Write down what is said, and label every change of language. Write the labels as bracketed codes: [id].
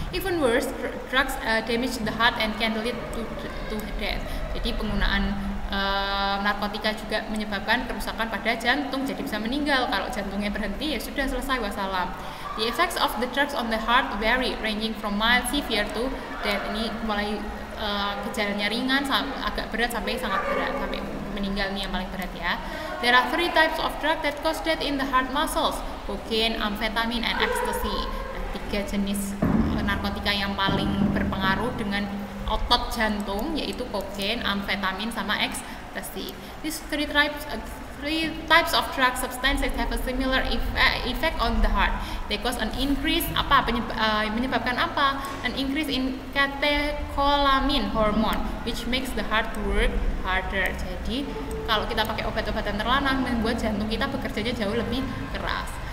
[en] Even worse, drugs damage the heart and can lead to death. [id] Jadi penggunaan narkotika juga menyebabkan kerusakan pada jantung, jadi bisa meninggal. Kalau jantungnya berhenti, ya sudah selesai, wassalam. [en] The effects of the drugs on the heart vary, ranging from mild severe to death. [id] Ini mulai gejalanya ringan, agak berat, sampai sangat berat, sampai meninggal, ini yang paling berat ya. [en] There are three types of drugs that cause death in the heart muscles: cocaine, amphetamine, and ecstasy. [id] Nah, tiga jenis narkotika yang paling berpengaruh dengan otot jantung yaitu kokain, amfetamin, sama ecstasy. [en] These three types of drug substances have a similar effect on the heart. They cause an increase an increase in catecholamin hormone, which makes the heart work harder. [id] Jadi kalau kita pakai obat-obatan terlarang membuat jantung kita bekerjanya jauh lebih keras.